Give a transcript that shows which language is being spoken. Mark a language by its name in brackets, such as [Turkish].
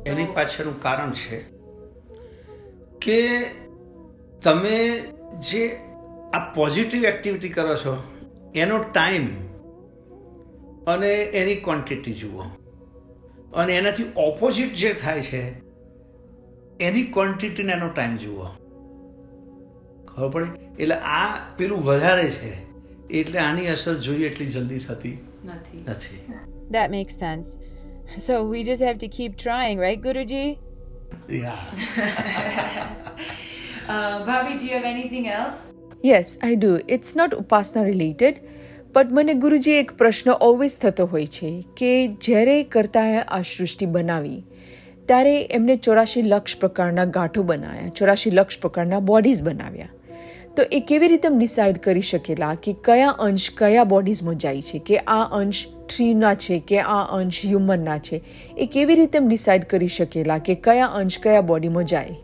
[Gujarati] એની પાછળનું કારણ છે કે તમે જે આ પોઝિટિવ એક્ટિવિટી કરો છો એનો ટાઈમ અને એની ક્વોન્ટિટી જુઓ, અને એનાથી ઓપોઝિટ જે થાય છે એની ક્વોન્ટિટીને એનો ટાઈમ જુઓ, ખબર પડે? એટલે આ પેલું વધારે છે એટલે આની અસર જોઈએ એટલી જલ્દી થતી નથી. [English] That makes sense. So we just have to keep trying, right, Guruji? Yeah. Bhavi, do you have anything else? Yes I do it's not ઉપાસના related but [Gujarati] મને ગુરુજી એક પ્રશ્ન ઓલવેઝ થતો હોય છે કે જ્યારે કરતાએ આ સૃષ્ટિ બનાવી ત્યારે એમને 84 લક્ષ પ્રકારના ગાંઠો બનાવ્યા 84 લક્ષ પ્રકારના બોડીઝ બનાવ્યા તો એ કેવી રીતે ડિસાઈડ કરી શકેલા કે કયા અંશ કયા બોડીઝમાં જાય છે કે આ અંશ ટ્રીના છે કે આ અંશ હ્યુમનના છે એ કેવી રીતે ડિસાઈડ કરી શકેલા કે કયા અંશ કયા બોડીમાં જાય